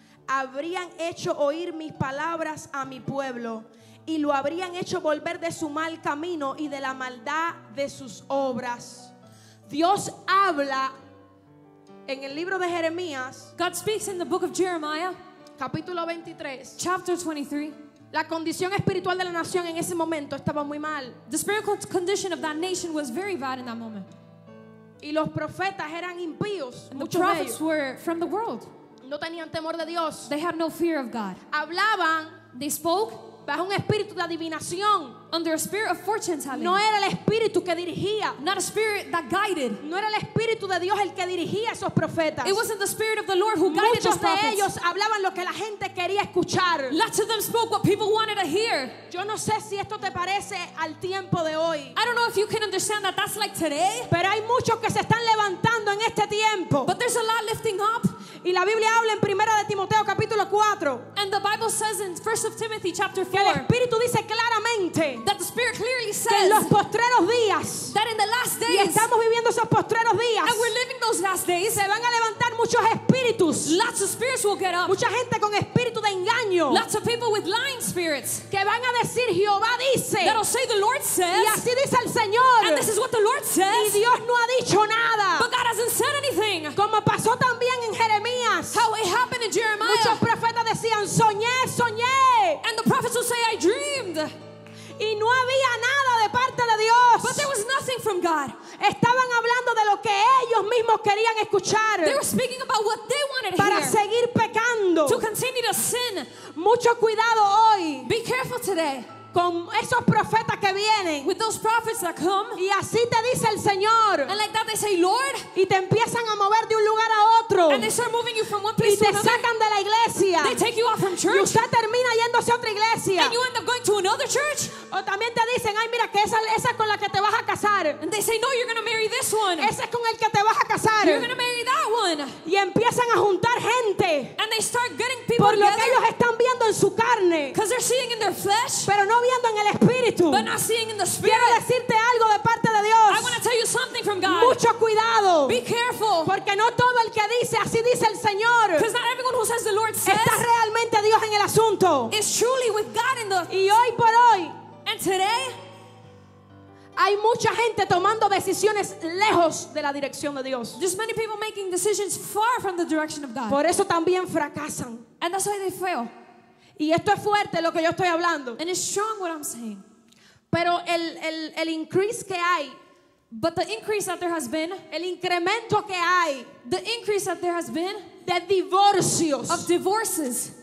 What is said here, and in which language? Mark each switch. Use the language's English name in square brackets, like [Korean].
[Spanish] habrían hecho oír mis palabras a mi pueblo y lo habrían hecho volver de su mal camino y de la maldad de sus obras. Dios habla en el libro de Jeremías, [English] God speaks in the book of Jeremiah, [Spanish] capítulo 23. [English] Chapter 23. [Spanish] La condición espiritual de la nación en ese momento estaba muy mal. [English] The spiritual condition of that nation was very bad in that moment. [Spanish] Y los profetas eran impíos. [English] And the prophets were from the world. [Spanish] No tenían temor de Dios. [English] They had no fear of God. [Spanish] Hablaban. [English] They spoke. [Spanish] Bajo un espíritu de adivinación. [English] Under a spirit of fortune telling. [Spanish] No era el espíritu que dirigía. [English] Not a spirit that guided. [Spanish] No era el espíritu de Dios el que dirigía esos profetas. [English] It wasn't the spirit of the Lord who guided [Spanish] Muchos [English] those prophets. [Spanish] Muchos de ellos hablaban lo que la gente quería escuchar. [English] Lots of them spoke what people wanted to hear. [Spanish] Yo no sé si esto te parece al tiempo de hoy. [English] I don't know if you can understand that that's like today. [Spanish] Pero hay muchos que se están levantando en este tiempo. [English] But there's a lot lifting up. [Spanish] Y la Biblia habla en 1 de Timoteo capítulo 4. [English] And the Bible says in 1 of Timothy chapter 4. [Spanish] Que el espíritu dice claramente. [English] That the Spirit clearly says [Spanish] que en los postreros días, [English] that in the last days, [Spanish] y estamos viviendo esos postreros días, [English] and we're living those last days, [Spanish] se van a levantar muchos espíritus, [English] lots of spirits will get up, [Spanish] mucha gente con espíritu de engaño, [English] lots of people with lying spirits, [Spanish] que van a decir Jehová dice, [English] that'll say the Lord says, [Spanish] y así dice el Señor, [English] and this is what the Lord says, [Spanish] y Dios no ha dicho nada, [English] but God hasn't said anything, [Spanish] como pasó también en Jeremías, [English] how it happened in Jeremiah, [Spanish] muchos profetas decían soñé, soñé, [English] and the prophets will say I dreamed. [Spanish] Y no había nada de parte de Dios. [English] But there was nothing from God. [Spanish] Estaban hablando de lo que ellos mismos querían escuchar. [English] They were speaking about what they wanted to hear. [Spanish] Para seguir pecando. [English] To continue to sin. [Spanish] Mucho cuidado hoy. [English] Be careful today. [Spanish] Con esos profetas que vienen. [English] With those prophets that come. [Spanish] Y así te dice el Señor. [English] And like that they say, Lord. [Spanish] Y te empiezan a mover de un lugar a otro. [English] And they start moving you from one place to another. [Spanish] Y te sacan de la iglesia. [English] They take you off from church. [Spanish] Y usted termina yéndose a otra iglesia. [English] And you end up going to another church. [Spanish] O también te dicen, ay, mira que esa es con la que te vas a casar. [English] And they say, no, you're going to marry this one. [Spanish] Ese es con el que te vas a casar. [English] You're going to marry that one. [Spanish] Y empiezan a juntar gente. [English] And they start getting people [Spanish] por lo Que ellos están viendo en su carne. [English] Because they're seeing in their flesh. [Spanish] Pero no viendo en el espíritu. [English] But not seeing in the spirit. [Spanish] Quiero decirte algo de parte de Dios. [English] I want to tell you something from God. [Spanish] Mucho cuidado. [English] Be careful. [Spanish] Porque no todo el que dice así dice el Señor. [English] Because not everyone who says the Lord says. [Spanish] Está realmente Dios en el asunto. [English] Is truly with God in the. [Spanish] Y hoy por hoy. [English] And today. [Spanish] Hay mucha gente tomando decisiones lejos de la dirección de Dios. [English] There's many people making decisions far from the direction of God. [Spanish] Por eso también fracasan. [English] And that's why they fail. [Spanish] Y esto es fuerte lo que yo estoy hablando. [English] And it's strong what I'm saying. [Spanish] Pero el increase que hay, [English] but the increase that there has been, [Spanish] el incremento que hay, [English] the increase that there has been, [Spanish] de divorcios, [English] of divorces,